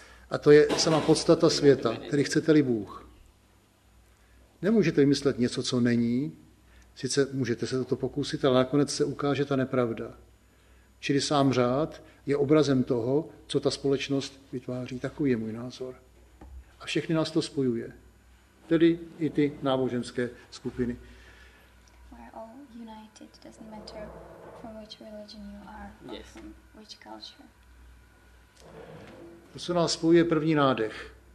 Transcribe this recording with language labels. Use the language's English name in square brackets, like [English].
[Czech] A to je sama podstata světa, který chcete-li Bůh. Nemůžete vymyslet něco, co není, sice můžete se toto pokusit, ale nakonec se ukáže ta nepravda. Čili sám řád je obrazem toho, co ta společnost vytváří. Takový je můj názor. A všechny nás to spojuje. Tedy i ty náboženské skupiny. [English] We're all united, doesn't matter from which religion you are, yes. From which culture. [Czech] To, co nás spojuje, první nádech.